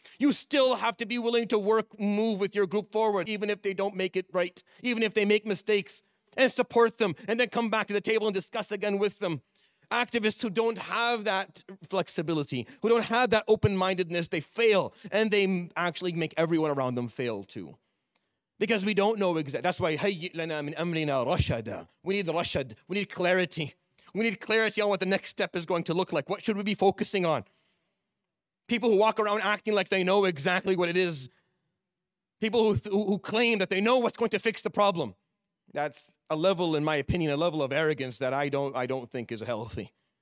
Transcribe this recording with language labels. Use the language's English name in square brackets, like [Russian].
[English] You still have to be willing to move with your group forward, even if they don't make it right, even if they make mistakes, and support them, and then come back to the table and discuss again with them. Activists who don't have that flexibility, who don't have that open-mindedness, they fail, and they actually make everyone around them fail too. Because we don't know exactly. That's why, [Arabic] هَيِّئْ لَنَا مِنْ أَمْرِنَا رَشَدًا. [English] We need rashad. We need clarity. We need clarity on what the next step is going to look like. What should we be focusing on? People who walk around acting like they know exactly what it is. People who claim that they know what's going to fix the problem. That's a level, in my opinion, a level of arrogance that I don't think is healthy.